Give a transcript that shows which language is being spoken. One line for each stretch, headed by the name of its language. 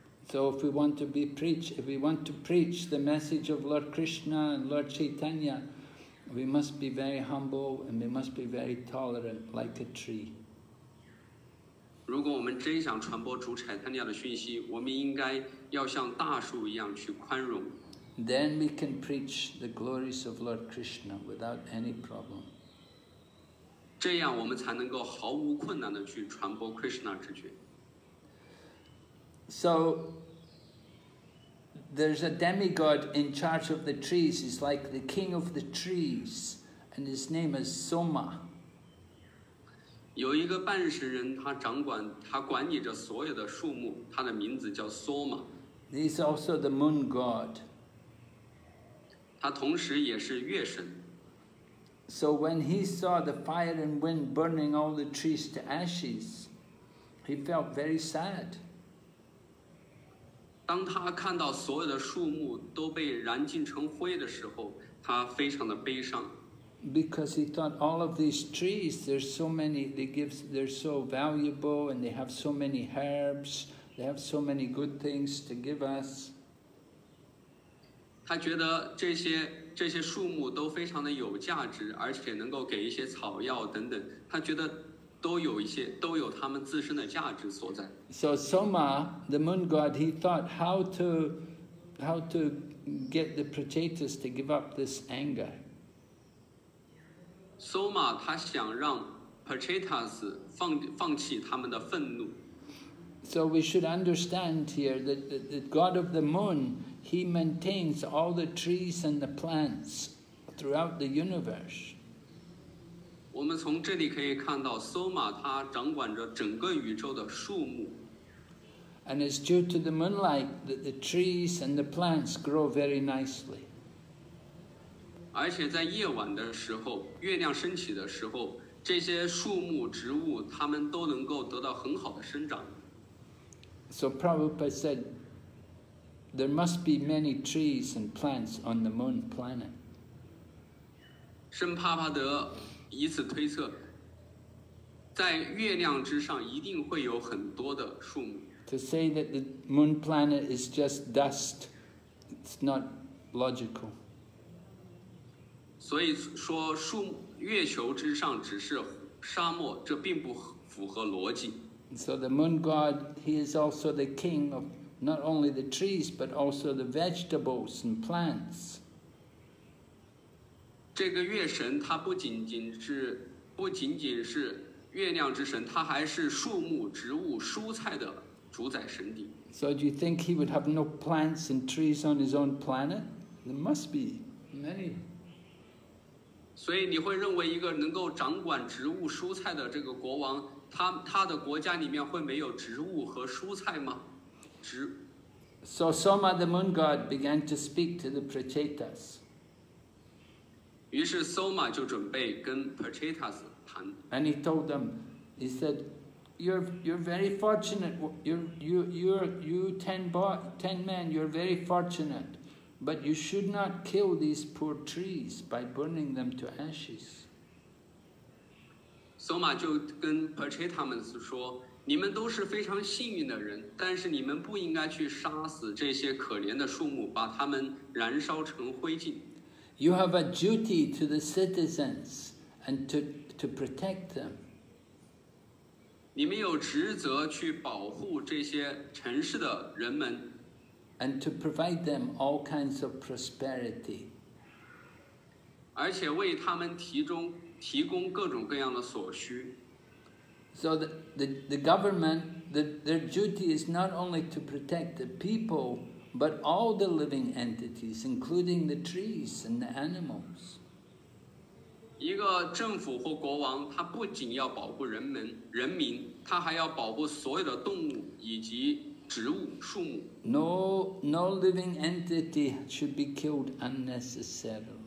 English: So if we want to be preach, if we want to preach the message of Lord Krishna and Lord Chaitanya,We must be very humble and we must be very tolerant like a tree.
Chinese: 如果我们真想传播主柴坦尼亚的讯息，我们应该要像大树一样去宽容。
English: Then we can preach the glories of Lord Krishna without any problem.
Chinese: 这样我们才能够毫无困难地去传播 Krishna 之觉。
English: So,There's a demigod in charge of the trees. He's like the king of the trees, and his name is Soma.
Chinese: 有一个半神人，他管理着所有的树木，他的名字叫 Soma.
English: He's also the moon god.
Chinese: 他同时也是月神。
English: So when he saw the fire and wind burning all the trees to ashes, he felt very sad.
Chinese: 当他看到所有的树木都被燃尽成灰的时候，他非常的悲伤。
English: Because he thought all of these trees, there's so many, they're so valuable, and they have so many herbs, they have so many good things to give us.
Chinese: 他觉得这些树木都非常的有价值，而且能够给一些草药等等，他觉得都有他们自身的价值所在。
English: So Soma, the moon god, he thought how to get the potatoes to give up this anger.
Chinese: Soma, 他想让 Pachetas 放弃他们的愤怒。
English: So we should understand here that the God of the Moon, he maintains all the trees and the plants throughout the universe.
Chinese: 我们从这里可以看到 Soma, 他掌管着整个宇宙的树木。
English: And it's due to the moonlight that the trees and the plants grow very nicely.
Chinese: 而且在夜晚的时候，月亮升起的时候，这些树木、植物，它们都能够得到很好的生长。
English: So Prabhupada said, there must be many trees and plants on the moon planet.
Chinese: 圣帕帕德以此推测，在月亮之上一定会有很多的树木。
English: To say that the moon planet is just dust, it's not logical.
Chinese: 所以说树月球之上只是沙漠，这并不符合逻辑。
English: So the moon god, he is also the king of not only the trees, but also the vegetables and plants.
Chinese: 这个月神他不仅仅是月亮之神，他还是树木、植物、蔬菜的主宰神邸。
English: So do you think he would have no plants and trees on his own planet? There must be many.
Chinese: 所以你会认为一个能够掌管植物蔬菜的这个国王 他的国家里面会没有植物和蔬菜吗？
English: So Soma the moon god began to speak to the Prachetas.
Chinese: 于是 Soma 就准备跟 Prachetas 谈。
English: And he told them, he said, you're very fortunate, you ten men, you're very fortunate. But you should not kill these poor trees by burning them to ashes.
Chinese: Soma 就跟 Prachetas 说，你们都是非常幸运的人，但是你们不应该去杀死这些可怜的树木，把它们燃烧成灰烬。
English: You have a duty to the citizens and to protect them.
Chinese: 你们有职责去保护这些城市的人们。
English: And to provide them all kinds of prosperity.
Chinese: 而且为他们提供各种各样的所需。
English: So the government, their duty is not only to protect the people, but all the living entities, including the trees and the animals.
Chinese: 一个政府或国王，他不仅要保护人民，他还要保护所有的动物以及。植物、树木。
English: No living entity should be killed unnecessarily.